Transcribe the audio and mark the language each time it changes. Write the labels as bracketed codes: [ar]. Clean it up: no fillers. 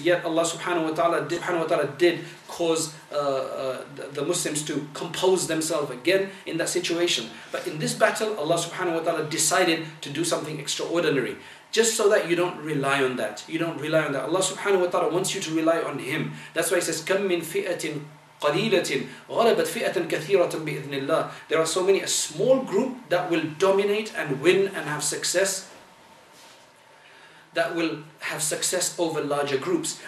[en] Yet Allah subhanahu wa ta'ala did cause the Muslims to compose themselves again in that situation. But in this battle, Allah subhanahu wa ta'ala decided to do something extraordinary. Just so that you don't rely on that. Allah subhanahu wa ta'ala wants you to rely on Him. That's why He says, [ar] كَمْ مِنْ فِئَةٍ قَلِيلَةٍ غَلَبَتْ فِئَةً كَثِيرَةً بِإِذْنِ اللَّهِ. [en] There are so many, a small group that will dominate and win and have success, that will have success over larger groups.